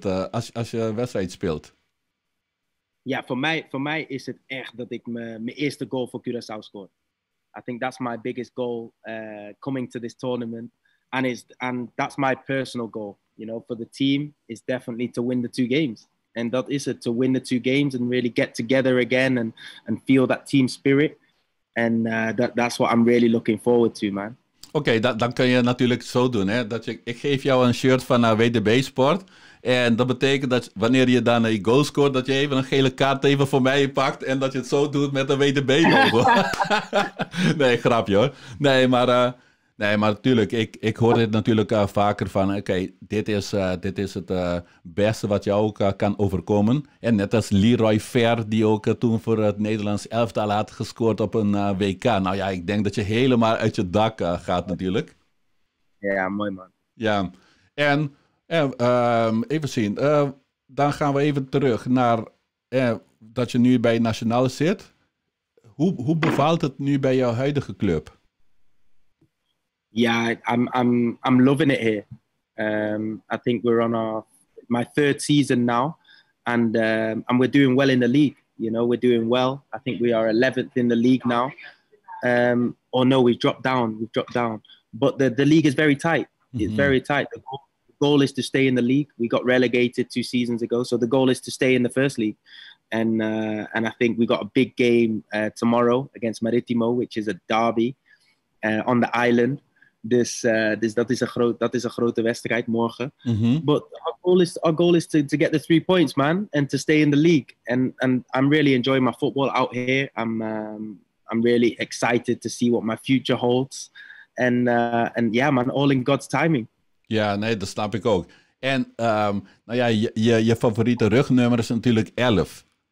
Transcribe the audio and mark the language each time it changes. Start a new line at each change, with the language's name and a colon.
Dutch: als je wedstrijd speelt? Ja, voor mij is het echt dat ik mijn eerste goal voor Curaçao scoor.
English: I think that's my biggest goal coming to this tournament. And that's my personal goal, you know, for the team is definitely to win the two games. And that is it, to win the two games and really get together again and feel that team spirit. And that's what I'm really looking forward to, man.
Dutch: Okay, dan kun je natuurlijk zo doen, hè. Ik geef jou een shirt van WDB Sport. En dat betekent dat wanneer je dan een goal scoort, dat je even een gele kaart even voor mij pakt. En dat je het zo doet met een WDB-logo. Nee, grapje hoor. Nee, maar tuurlijk. Ik hoor dit natuurlijk vaker van, oké, dit is het beste wat jou ook kan overkomen. En net als Leroy Fer, die ook toen voor het Nederlands elftal had gescoord op een WK. Nou ja, ik denk dat je helemaal uit je dak gaat natuurlijk. Ja, mooi man. Ja, en... even zien, dan gaan we even terug naar dat je nu bij Nationale zit. Hoe bevalt het nu bij jouw huidige club?
English: Ja, I'm loving it here. I think we're on my third season now. And we're doing well in the league. You know, we're doing well. I think we are 11th in the league now. We've dropped down. But the league is very tight. It's mm-hmm. very tight. Goal is to stay in the league. We got relegated two seasons ago, so the goal is to stay in the first league. And I think we got a big game tomorrow against Maritimo, which is a derby on the island.
Dutch: Dat is een grote wedstrijd morgen. Mm-hmm.
English: But our goal is to get the 3 points, man, and to stay in the league. And I'm really enjoying my football out here. I'm really excited to see what my future holds. And yeah, man, all in God's timing.
Dutch: Ja, nee, dat snap ik ook. En nou ja, je favoriete rugnummer is natuurlijk 11.